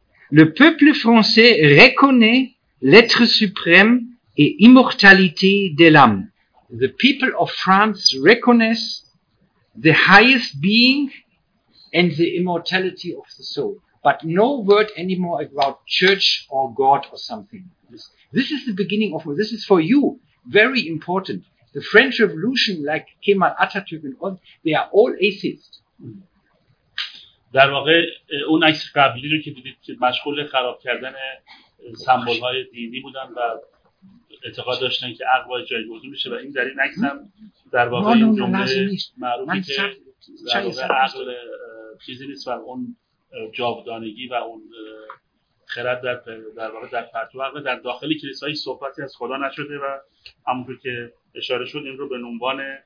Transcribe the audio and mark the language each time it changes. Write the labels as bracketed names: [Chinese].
[French] Le peuple français reconnaît l'être suprême et immortalité de l'âme. [English] The people of France recognize the highest being and the immortality of the soul. But no word anymore about church or God or something. This is the beginning of, this is for you, very important. The French Revolution, like Kemal Atatürk and all, they are all atheists. [Persian] در واقع اون عکس قبلی رو که دیدید که مشغول خراب کردن سمبول‌های دینی بودن و اعتقاد داشتن که عقل باید جایگزین میشه و این در این عکس هم در واقع این جمله معروفی که در واقع عقل چیزی نیست و اون جاودانگی و اون خرد در واقع در پرتو عقل در داخل کلیسای صحبتی از خدا نشده و همونطور که اشاره شد این رو به عنوان